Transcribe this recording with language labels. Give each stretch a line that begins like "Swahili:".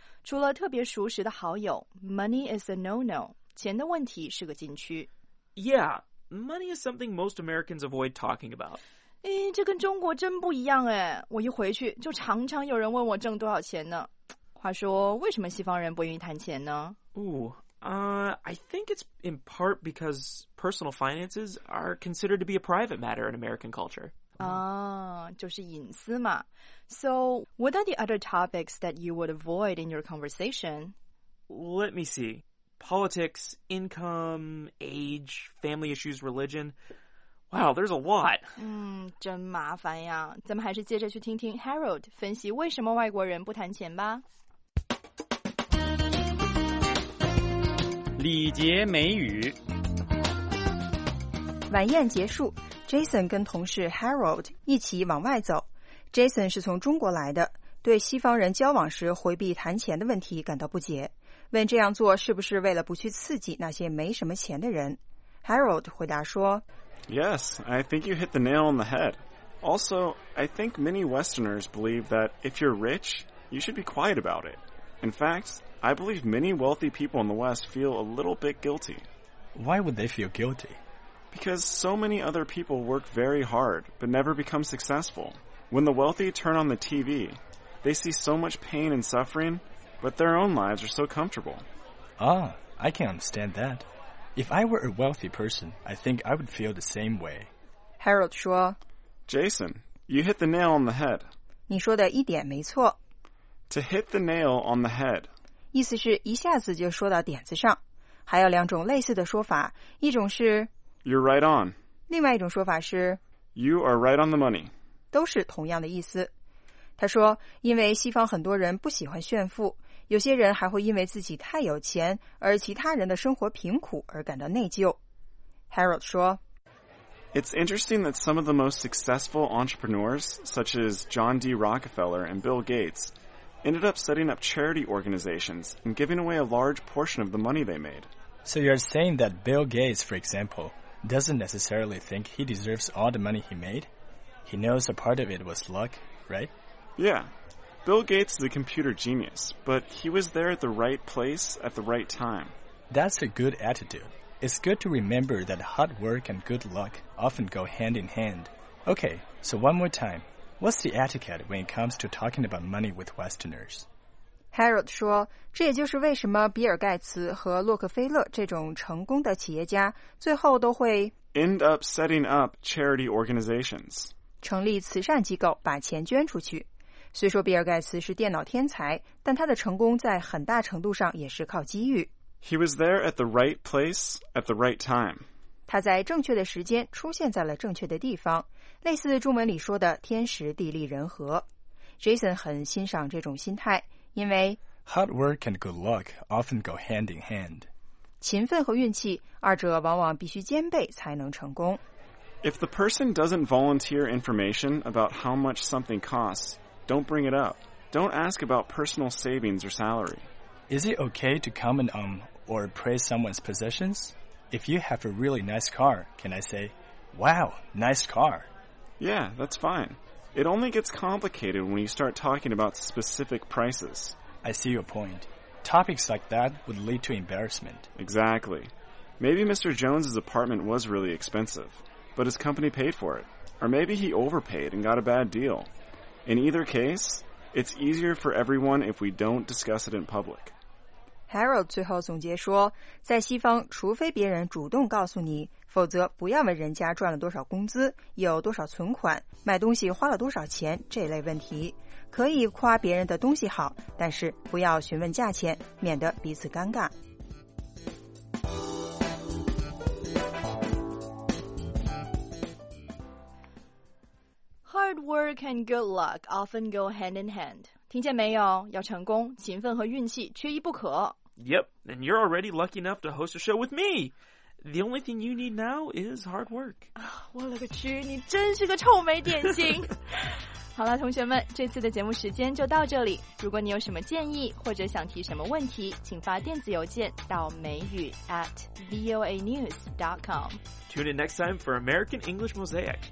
Chinese: 除了特别熟识的好友，
English: money is a no-no，
Chinese: 钱的问题是个禁区。
English: Yeah， money is something most Americans avoid talking about。
Chinese: 哎，这跟中国真不一样哎！我一回去就常常有人问我挣多少钱呢。话说，为什么西方人不愿意谈钱呢？
English: Ooh, I think it's in part because personal finances are considered to be a private matter in American culture.
Chinese: 啊，就是隐私嘛。
English: So, what are the other topics that you would avoid in your conversation? Let me see. Politics, income, age, family issues, religion. Wow, there's a lot.
Chinese: 真麻烦呀。咱们还是接着去听听 Harold 分析为什么外国人不谈钱吧。礼节美语。晚宴结束， Jason 跟同事 Harold 一起往外走。 Jason 是从中国来的，对西方人交往时回避谈钱的问题感到不解，问这样做是不是为了不去刺激那些没什么钱的人。 Harold 回答说，
English: Yes, I think you hit the nail on the head. Also, I think many Westerners believe that if you're rich, you should be quiet about it. In fact, I believe many wealthy people in the West feel a little bit guilty. Why would they feel guilty? Because so many other people work very hard, but never become successful. When the wealthy turn on the TV, they see so much pain and suffering, but their own lives are so comfortable. Ah, I can understand that. If I were a wealthy person, I think I would feel the same way.
Chinese: Harold 说，
English: Jason, you hit the nail on the head.
Chinese: 你说的一点没错。
English: To hit the nail on the head.
Chinese: 意思是一下子就说到点子上。还有两种类似的说法，一种是
English: You're right on.
Chinese: 另外一种说法是
English: You are right on the money.
Chinese: 都是同样的意思。他说，因为西方很多人不喜欢炫富，有些人还会因为自己太有钱而其他人的生活贫苦而感到内疚。 Harold 说，
English: It's interesting that some of the most successful entrepreneurs such as John D. Rockefeller and Bill Gates ended up setting up charity organizations and giving away a large portion of the money they made. So you're saying that Bill Gates, for example, doesn't necessarily think he deserves all the money he made? He knows a part of it was luck, right? Yeah, Bill Gates is a computer genius, but he was there at the right place at the right time. That's a good attitude. It's good to remember that hard work and good luck often go hand in hand. Okay, so one more time. What's the etiquette when it comes to talking about money with Westerners?
Chinese: Harold 说，这也就是为什么比尔盖茨和洛克菲勒这种成功的企业家最后都会
English: end up setting up charity organizations.
Chinese: 成立慈善机构，把钱捐出去。虽说比尔盖茨是电脑天才，但他的成功在很大程度上也是靠机遇。
English: He was there at the right place at the right time.
Chinese: 他在正确的时间出现在了正确的地方，类似中文里说的天时地利人和。 Jason 很欣赏这种心态，因为
English: Hard work and good luck often go hand in hand.
Chinese: 勤奋和运气，二者往往必须兼备才能成功。
English: If the person doesn't volunteer information about how much something costs,Don't bring it up. Don't ask about personal savings or salary. Is it okay to comment on or praise someone's possessions? If you have a really nice car, can I say, wow, nice car? Yeah, that's fine. It only gets complicated when you start talking about specific prices. I see your point. Topics like that would lead to embarrassment. Exactly. Maybe Mr. Jones's apartment was really expensive, but his company paid for it. Or maybe he overpaid and got a bad deal. In either case, it's easier for everyone if we don't discuss it in public.
Chinese: Harold 最后总结说，在西方，除非别人主动告诉你，否则不要问人家赚了多少工资，有多少存款，买东西花了多少钱这类问题。可以夸别人的东西好，但是不要询问价钱，免得彼此尴尬。
English: Hard work and good luck often go hand in hand.
Chinese: 听见没有？要成功，勤奋和运气缺一不可。
English: Yep, and you're already lucky enough to host a show with me. The only thing you need now is hard work.
Chinese: 我勒个去，你真是个臭美点心。好了，同学们，这次的节目时间就到这里。如果你有什么建议或者想提什么问题，请发电子邮件到美语@voanews.com.
English: Tune in next time for American English Mosaic.